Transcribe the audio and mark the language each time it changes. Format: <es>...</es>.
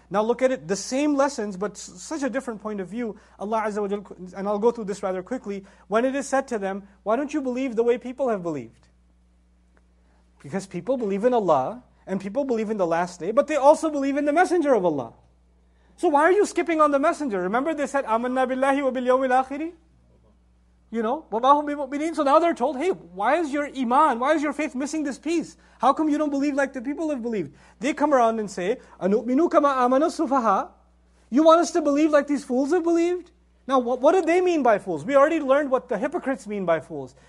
<en>Now look at it, the same lessons, but such a different point of view. Allah Azza wa Jal, and I'll go through this rather quickly, when it is said to them, why don't you believe the way people have believed? Because people believe in Allah, and people believe in the last day, but they also believe in the Messenger of Allah. So why are you skipping on the Messenger? Remember they said,</en> <ar>أَمَنَّا بِاللَّهِ وَبِالْيَوْمِ الْآخِرِ.</ar> <en>You know,</en> <ar>وَبَاهُمْ بِمُؤْمِنِينَ.</ar> <en>So now they're told, hey, why is your iman, why is your faith missing this piece? How come you don't believe like the people have believed? They come around and say,</en> <ar>أَنُؤْمِنُوا كَمَا آمَنَا السُّفَهَا.</ar> <en>You want us to believe like these fools have believed? Now, what did they mean by fools? We already learned what the hypocrites mean by fools.</en>